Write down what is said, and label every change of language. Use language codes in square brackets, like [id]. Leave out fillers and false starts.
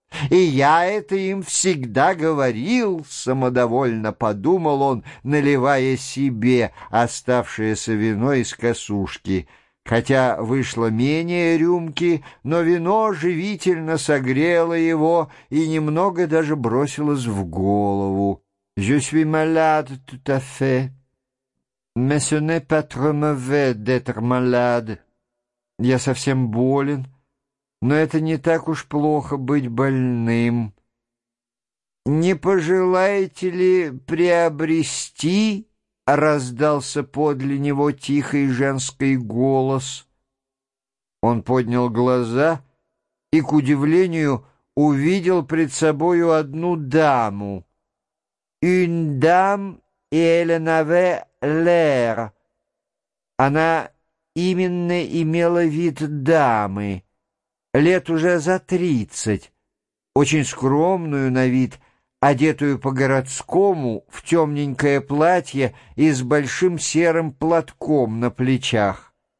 [ru] И я это им всегда говорил», — самодовольно подумал он, наливая себе оставшееся вино из косушки. Хотя вышло менее рюмки, но вино живительно согрело его и немного даже бросилось в голову. [fr] «Je suis malade tout à fait, mais ce n'est pas trop mauvais d'être malade. [ru] Я совсем болен». Но это не так уж плохо быть больным. «Не пожелаете ли приобрести?» — раздался подле него тихий женский голос. Он поднял глаза и, к удивлению, увидел пред собою одну даму. [fr] «Une dame, et elle avait l'air». [ru] Она именно имела вид дамы. Лет уже за 30, очень скромную на вид, одетую по-городскому в темненькое платье и с большим серым платком на плечах.